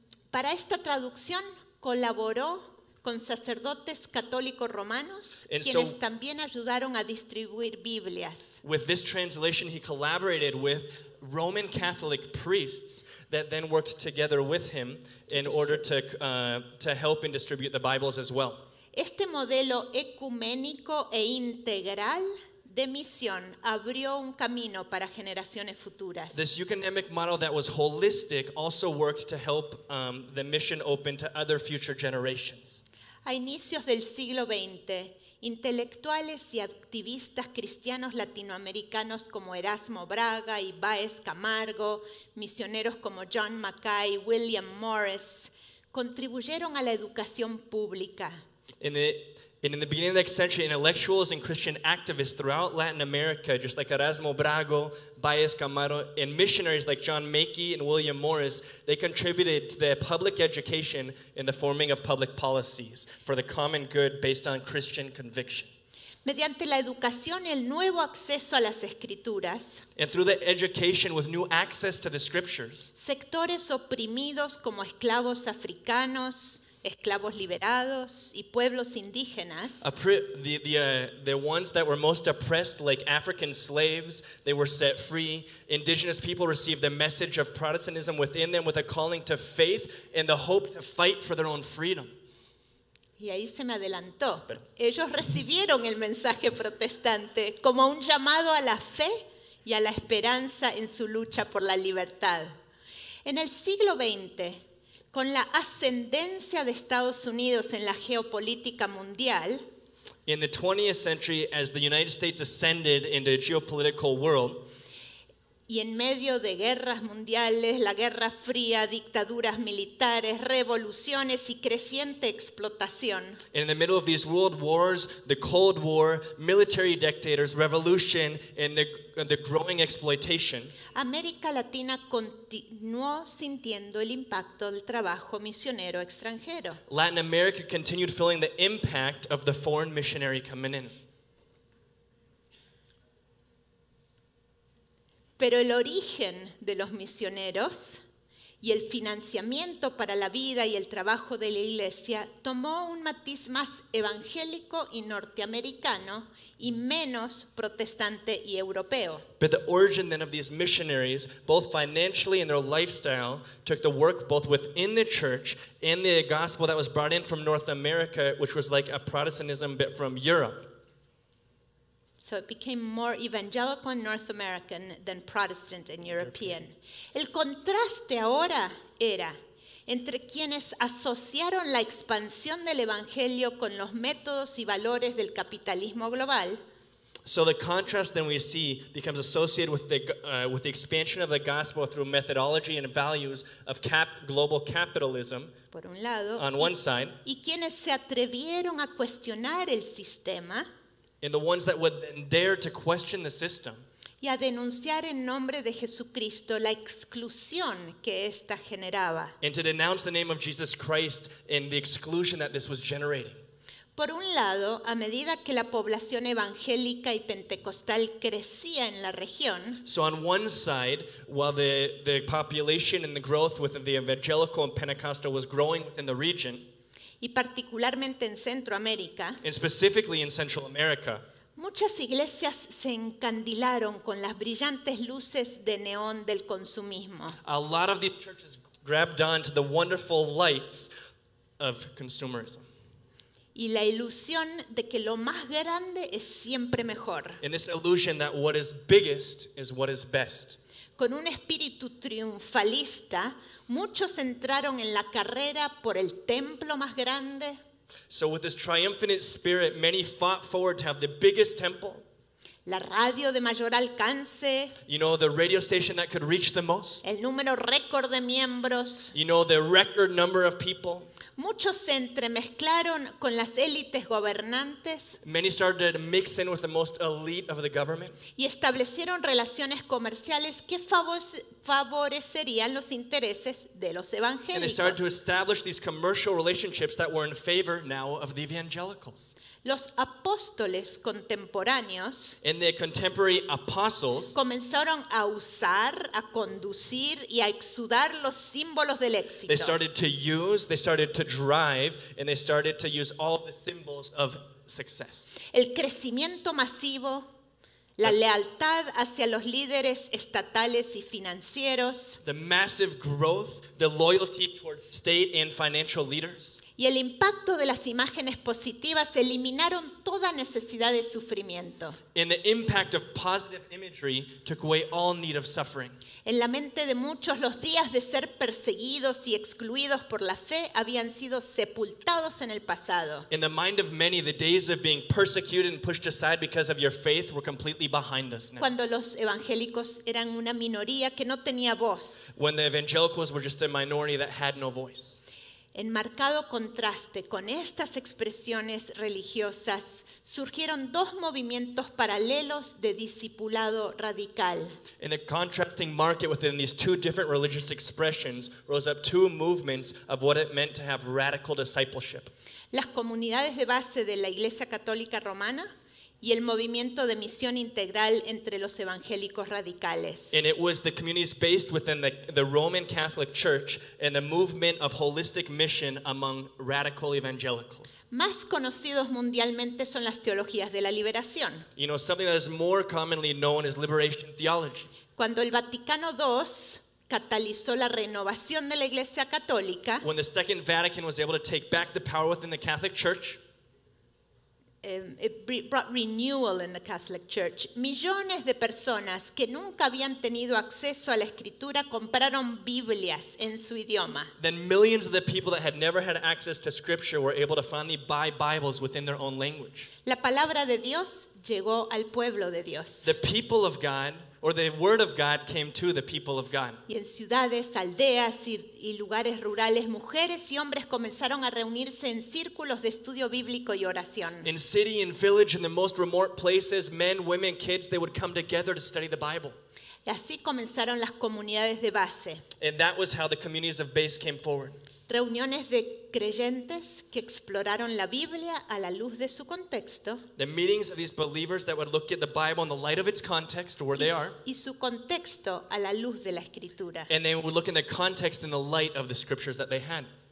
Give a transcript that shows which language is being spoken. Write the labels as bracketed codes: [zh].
[es] Para esta traducción colaboró con sacerdotes católicos romanos, quienes también ayudaron a distribuir Biblias. [en] With this translation, he collaborated with Roman Catholic priests that then worked together with him in order to help and distribute the Bibles as well. [es] Este modelo ecuménico e integral de misión abrió un camino para generaciones futuras. [en] This ecumenic model that was holistic also worked to help the mission open to other future generations. [es] A inicios del siglo XX, intelectuales y activistas cristianos latinoamericanos como Erasmo Braga y Báez Camargo, misioneros como John Mackay, William Morris, contribuyeron a la educación pública. [en] In the beginning of the next century, intellectuals and Christian activists throughout Latin America, just like Erasmo Braga, Báez Camargo, and missionaries like John Mackay and William Morris, they contributed to the public education in the forming of public policies for the common good based on Christian conviction. [es] Mediante la educación y el nuevo acceso a las escrituras, [en] and through the education with new access to the scriptures, [es] sectores oprimidos como esclavos africanos, esclavos liberados y pueblos indígenas. [en] The ones that were most oppressed, like African slaves, they were set free. Indigenous people received the message of Protestantism within them with a calling to faith and the hope to fight for their own freedom. [es] Y ahí se me adelantó. Ellos recibieron el mensaje protestante como un llamado a la fe y a la esperanza en su lucha por la libertad. En el siglo XX, con la ascendencia de Estados Unidos en la geopolítica mundial. [en] In the 20th century, as the United States ascended into the geopolitical world, [es] y en medio de guerras mundiales, la Guerra Fría, dictaduras militares, revoluciones y creciente explotación. [en] In the middle of these world wars, the Cold War, military dictators, revolution, and the growing exploitation, [es] América Latina continuó sintiendo el impacto del trabajo misionero extranjero. [en] Latin America continued feeling the impact of the foreign missionary coming in. [es] Pero el origen de los misioneros y el financiamiento para la vida y el trabajo de la iglesia tomó un matiz más evangélico y norteamericano y menos protestante y europeo. [en] But the origin then of these missionaries, both financially and their lifestyle, took the work both within the church and the gospel that was brought in from North America, which was like a Protestantism bit from Europe. So it became more evangelical and North American than Protestant and European. [es] El contraste ahora era entre quienes asociaron la expansión del evangelio con los métodos y valores del capitalismo global. [en] So the contrast then we see becomes associated with the expansion of the gospel through methodology and values of global capitalism. [es] Por un lado, [en] on one side. [es] Y quienes se atrevieron a cuestionar el sistema. [en] And the ones that would then dare to question the system. [es] Y a denunciar en nombre de Jesucristo la exclusión que esta generaba. [en] And to denounce the name of Jesus Christ and the exclusion that this was generating. [es] Por un lado, a medida que la población evangélica y pentecostal crecía en la región. [en] So on one side, while the population and the growth within the evangelical and Pentecostal was growing within the region. [es] Y particularmente en Centroamérica. [en] And specifically in Central America. [es] Muchas iglesias se encandilaron con las brillantes luces de neón del consumismo. [en] A lot of these churches grabbed on to the wonderful lights of consumerism. [es] Y la ilusión de que lo más grande es siempre mejor. [en] And this illusion that what is biggest is what is best. [es] Con un espíritu triunfalista, muchos entraron en la carrera por el templo más grande. [en] So with this triumphant spirit, many fought forward to have the biggest temple. [es] La radio de mayor alcance. [en] You know, the radio station that could reach the most. [es] El número récord de miembros. [en] You know, the record number of people. [es] Muchos se entremezclaron con las élites gobernantes. [en] Many started to mix in with the most elite of the government. [es] Y establecieron relaciones comerciales que favorecerían los intereses de los evangélicos. [en] And they started to establish these commercial relationships that were in favor now of the evangelicals. [es] Los apóstoles contemporáneos. [en] And the contemporary apostles. [es] Comenzaron a usar, a conducir y a exudar los símbolos del éxito. [en] They started to use, they started to drive, and they started to use all the symbols of success. [es] El crecimiento masivo, la lealtad hacia los líderes estatales y financieros. [en] The massive growth, the loyalty towards state and financial leaders. [es] Y el impacto de las imágenes positivas eliminaron toda necesidad de sufrimiento. [en] And the impact of positive imagery took away all need of suffering. [es] En la mente de muchos, los días de ser perseguidos y excluidos por la fe habían sido sepultados en el pasado. [en] In the mind of many, the days of being persecuted and pushed aside because of your faith were completely behind us now. [es] Cuando los evangélicos eran una minoría que no tenía voz. [en] When the evangelicals were just a minority that had no voice. [es] En marcado contraste con estas expresiones religiosas, surgieron dos movimientos paralelos de discipulado radical. [en] In a contrasting market within these two different religious expressions, rose up two movements of what it meant to have radical discipleship. [es] Las comunidades de base de la Iglesia Católica Romana y el movimiento de misión integral entre los evangélicos radicales. [en] And it was the communities based within the Roman Catholic Church and the movement of holistic mission among radical evangelicals. [es] Más conocidos mundialmente son las teologías de la liberación. [en] You know, something that is more commonly known as liberation theology. [es] Cuando el Vaticano II catalizó la renovación de la Iglesia Católica. [en] When the Second Vatican was able to take back the power within the Catholic Church. brought renewal in the Catholic Church. [es] Millones de personas que nunca habían tenido acceso a la escritura compraron Biblias en su idioma. [en] Then millions of the people that had never had access to scripture were able to finally buy Bibles within their own language. [es] La palabra de Dios llegó al pueblo de Dios. [en] The people of God, or the word of God, came to the people of God. [es] Y en ciudades, aldeas y lugares rurales, mujeres y hombres comenzaron a reunirse en círculos de estudio bíblico y oración. [en] In city and village, in the most remote places, men, women, kids, they would come together to study the Bible. [es] Y así comenzaron las comunidades de base. [en] And that was how the communities of base came forward. [es] Reuniones de creyentes que exploraron la Biblia a la luz de su contexto. [en] The meetings of these believers that would look at the Bible in the light of its context, where they are. [es] Y su contexto a la luz de la Escritura. [en] And they would look in the context in the light of the scriptures that they had.